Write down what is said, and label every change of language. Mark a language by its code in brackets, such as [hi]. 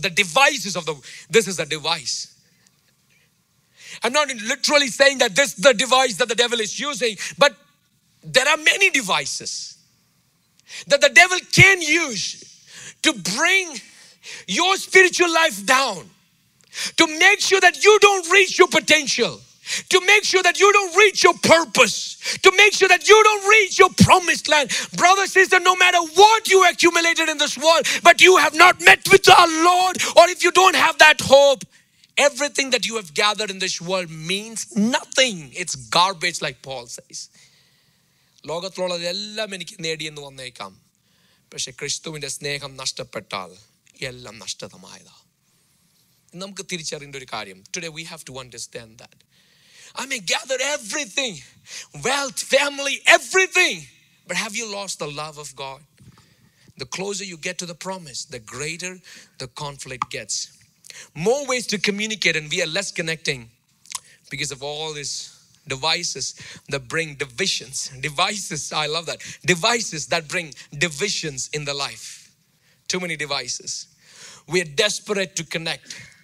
[en] The devices of the, this is a device. I'm not literally saying that this is the device that the devil is using, but there are many devices that the devil can use to bring your spiritual life down, to make sure that you don't reach your potential, to make sure that you don't reach your purpose, to make sure that you don't reach your promised land. Brother, sister, no matter what you accumulated in this world, but you have not met with our Lord, or if you don't have that hope, everything that you have gathered in this world means nothing. It's garbage, like Paul says. [ml] ലോകത്തിലുള്ളത് എല്ലാം എനിക്ക് നേടി എന്ന് വന്നേക്കാം, പക്ഷെ ക്രിസ്തുവിന്റെ സ്നേഹം നഷ്ടപ്പെട്ടാൽ എല്ലാം നഷ്ടതമായതാ. നമുക്ക് തിരിച്ചറിയേണ്ട ഒരു കാര്യം, [en] Today we have to understand that I may gather everything, wealth, family, everything, but have you lost the love of God? The closer you get to the promise, the greater the conflict gets. More ways to communicate, and we are less connecting because of all these devices that bring divisions. Devices, I love that. Devices that bring divisions in the life. Too many devices. We are desperate to connect.